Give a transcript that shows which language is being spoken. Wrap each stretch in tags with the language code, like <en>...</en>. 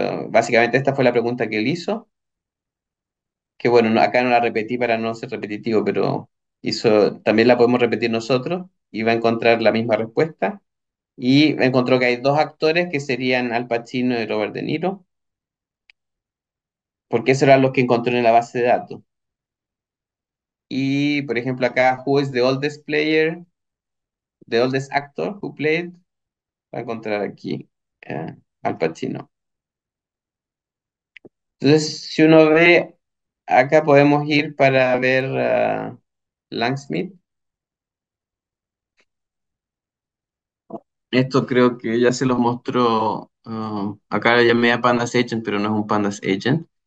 <es>Básicamente esta fue la pregunta que él hizo. Que bueno, no, acá no la repetí para no ser repetitivo, pero hizo, también la podemos repetir nosotros y va a encontrar la misma respuesta. Y encontró que hay dos actores que serían Al Pacino y Robert De Niro, porque esos eran los que encontró en la base de datos. Y por ejemplo, acá,</es> <en>¿Who is the oldest player? The oldest actor who played.</en> <es>Va a encontrar aquí Al Pacino. Entonces, si uno ve. Acá podemos ir para ver Langsmith. Esto creo que ya se los mostró. Acá lo llamé a Pandas Agent, pero no es un Pandas Agent.</es>